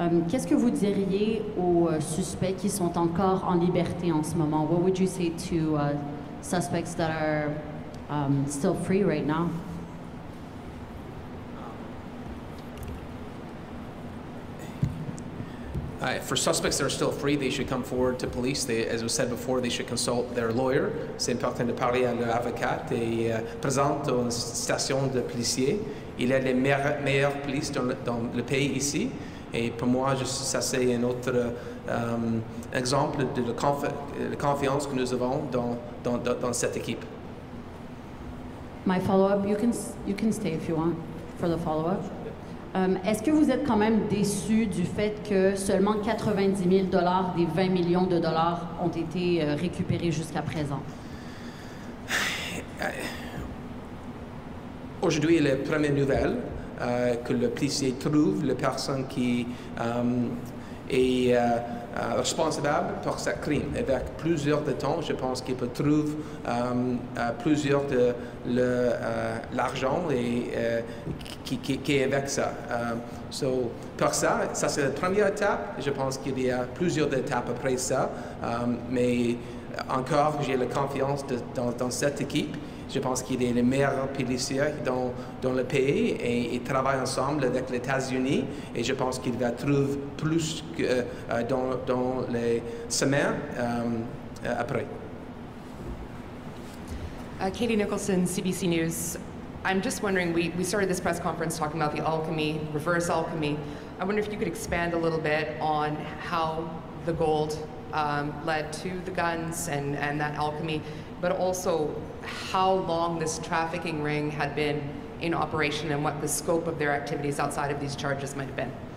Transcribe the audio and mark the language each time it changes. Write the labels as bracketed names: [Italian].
[French] Qu'est-ce que vous diriez aux suspects qui sont encore en liberté en ce moment? [English] What would you say to suspects that are still free right now? For suspects that are still free, they should come forward to police. They, as was said before, they should consult their lawyer. [French] C'est important de parler à l'avocat. Et présente dans une station de policiers. Il est les meilleurs policiers dans le pays ici. Et pour moi, ça c'est un autre exemple de la confiance que nous avons dans cette équipe. [English] My follow-up, you can stay if you want for the follow-up. [French] Est-ce que vous êtes quand même déçu du fait que seulement 90 000 $ des 20 millions de dollars ont été récupérés jusqu'à présent? Aujourd'hui, la première nouvelle que le policier trouve la personne qui est responsable pour ce crime. Avec plusieurs de temps, je pense qu'il peut trouver plusieurs de l'argent et qui est avec ça. Pour ça, c'est la première étape. Je pense qu'il y a plusieurs étapes après ça. Mais encore, j'ai la confiance dans cette équipe. Je pense qu'il est le meilleur policier dans le pays et il travaille ensemble avec les États-Unis et je pense qu'il va trouver plus que dans les semaines après. [English] Katie Nicholson, CBC News. I'm just wondering, we started this press conference talking about the alchemy, reverse alchemy. I wonder if you could expand a little bit on how the gold led to the guns and that alchemy, but also how long this trafficking ring had been in operation and what the scope of their activities outside of these charges might have been.